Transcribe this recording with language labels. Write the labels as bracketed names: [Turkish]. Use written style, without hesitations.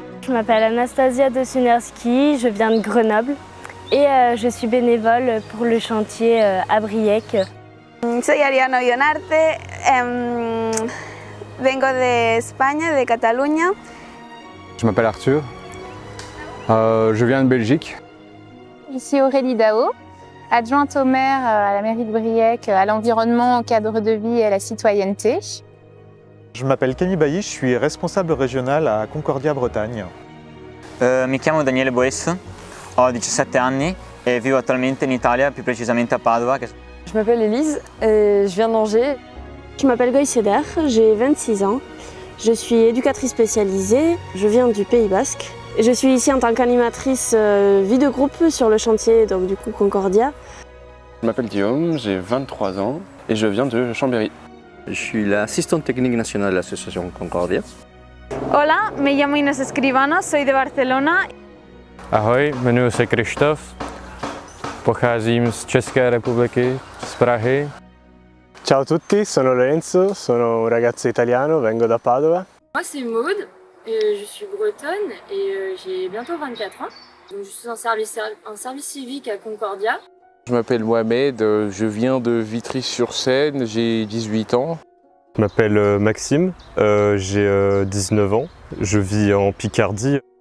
[French] m'appelle Anastasia de Sunerski, je viens de Grenoble et je suis bénévole pour le chantier à Briec. [Spanish] Soy Ariano Ionarte, vengo de España, de Catalunya. [French] Je m'appelle Arthur, je viens de Belgique. Je suis Aurélie Dao, adjointe au maire à la mairie de Briec, à l'environnement, au cadre de vie et à la citoyenneté. Je m'appelle Camille Bailly, je suis responsable régional à Concordia Bretagne. [Italian] Mi chiamo Daniele Boes, ho 17 anni e vivo attualmente in Italia, più precisamente a Padova. [French] Je m'appelle Elise et je viens d'Angers. Je m'appelle Goy Seder, j'ai 26 ans. Je suis éducatrice spécialisée, je viens du Pays Basque. Et je suis ici en tant qu'animatrice vie de groupe sur le chantier, donc du coup Concordia. Je m'appelle Guillaume, j'ai 23 ans et je viens de Chambéry. Je suis l'assistante technique nationale de l'association Concordia. [Spanish] Hola, me llamo Inés Escribano, soy de Barcelona. [Czech] Ahoj, jmenuji se Krištof. Pocházím z České republiky, z Prahy. [Italian] Ciao a tutti, sono Lorenzo, sono un ragazzo italiano, vengo da Padova. [French] Moi c'est Maud, je suis bretonne et j'ai bientôt 24 ans. Donc, je suis en service civique à Concordia. Je m'appelle Mohamed, je viens de Vitry-sur-Seine, j'ai 18 ans. Je m'appelle Maxime, j'ai 19 ans, je vis en Picardie.